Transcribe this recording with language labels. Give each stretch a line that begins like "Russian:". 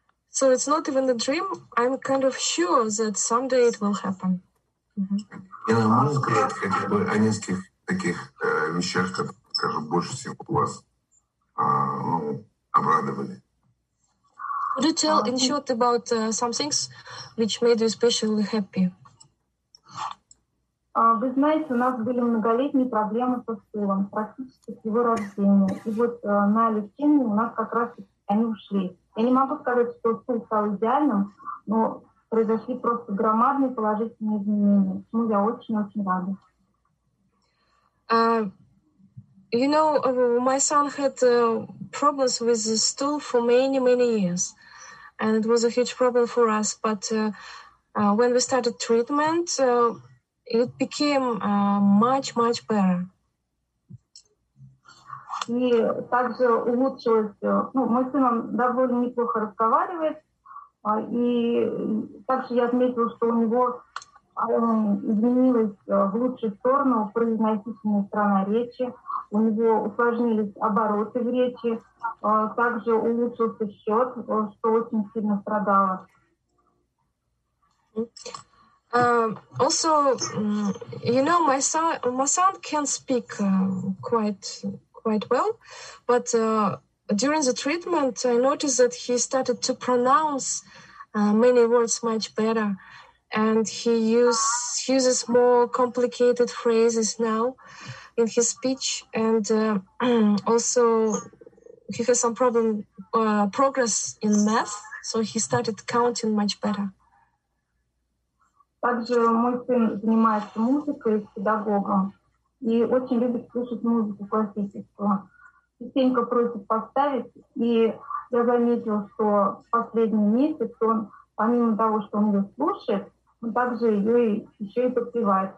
English: So it's not even a dream. I'm kind of sure that someday it will happen.
Russian: Я могу сказать хотя бы о нескольких таких вещах, которые, скажем, больше всего вас обрадовали.
English: Could you tell in short about some things which made you especially happy?
Russian: Вы знаете, у нас были многолетние проблемы со стулом, практически с его рождения. И вот на лечении у нас как раз они ушли. Я не могу сказать, что стул стал идеальным, но произошли просто громадные положительные изменения, чему я очень-очень рада.
English: You know, my son had problems with the stool for many, many years. And it was a huge problem for us. But when we started treatment, it became much, much better.
Russian: И также улучшилось... Ну, мой сын довольно неплохо разговаривает. И также я отметила, что у него изменилась в лучшую сторону произносительная сторона речи. У него усложнились обороты в речи. Также улучшился счет, что очень сильно страдало.
English: Also, you know, my son can speak quite quite well, but during the treatment, I noticed that he started to pronounce many words much better, and he uses more complicated phrases now in his speech, and also he has some problem progress in math, so he started counting much better.
Russian: Также мой сын занимается музыкой, педагогом, и очень любит слушать музыку классическую. Частенько просит поставить, и я заметил, что в последний месяц он, помимо того, что он ее слушает, он также ее еще и подпевает.